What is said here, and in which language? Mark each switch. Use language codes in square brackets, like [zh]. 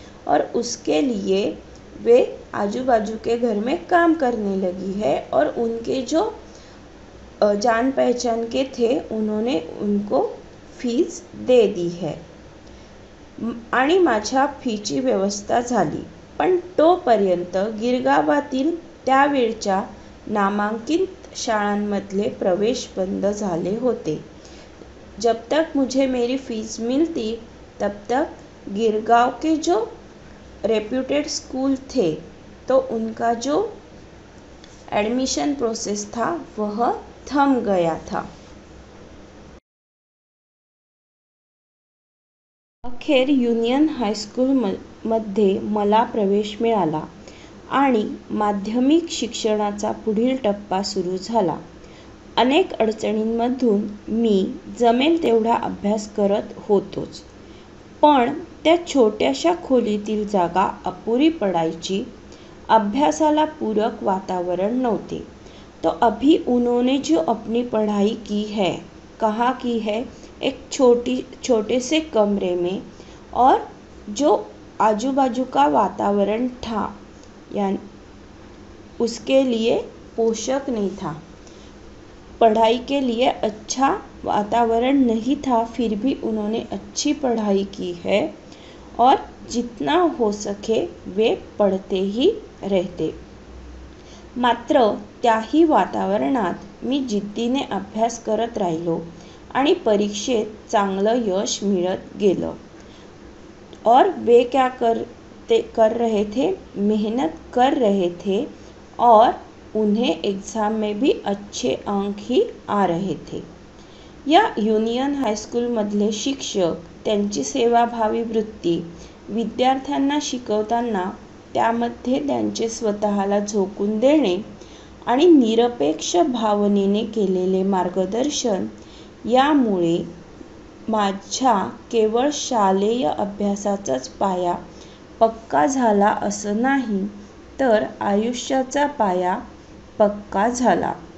[hi] और उसके लिए वे आजू बाजू के घर में काम करने लगी है और उनके जो जान पहचान के थे उन्होंने उनको फीस दे दी है [mr] आणि माझ्या फीची व्यवस्था झाली। पण तोपर्यंत गिरगावातील त्यावेळच्या नामांकित शाळांमधले प्रवेश बंद झाले होते। [hi] जब तक मुझे मेरी फीस मिलती तब तक गिरगाव के जो रेप्युटेड स्कूल थे तो उनका जो एडमिशन प्रोसेस था वह थम गया था। [mr] अखेर युनियन हायस्कूल मध्ये मला प्रवेश मिळाला आणि माध्यमिक शिक्षणाचा पुढील टप्पा सुरू झाला। अनेक अडचणींमधून मी जमेल तेवढा अभ्यास करत होतोच, पण त्या छोट्याशा खोलीतील जागा अपुरी पडायची, अभ्यासाला पूरक वातावरण नव्हते। [hi] तो अभी उन्होंने जो अपनी पढ़ाई की है कहाँ की है, एक छोटे से कमरे में, और जो आजू बाजू का वातावरण था यानि उसके लिए पोषक नहीं था, पढ़ाई के लिए अच्छा वातावरण नहीं था, फिर भी उन्होंने अच्छी पढ़ाई की है और जितना हो सके वे पढ़ते ही रहते। [mr] मात्र त्याही वातावरणात मी जिद्दीने अभ्यास करत राहिलो आणि परीक्षेत चांगलं यश मिळत गेलं। [hi] और वे क्या कर रहे थे, मेहनत कर रहे थे और उन्हें एग्जाम में भी अच्छे अंक ही आ रहे थे। [mr] या युनियन हायस्कूल मधले शिक्षक त्यांची सेवाभावी वृत्ती विद्यार्थ्यांना शिकवताना त्यामध्ये त्यांचे स्वतःला झोकून देणे आणि निरपेक्ष भावनेने केलेले मार्गदर्शन यामुळे माझ्या केवळ शालेय अभ्यासाचाच पाया पक्का झाला असं नाही तर आयुष्याचा पाया पक्का झाला।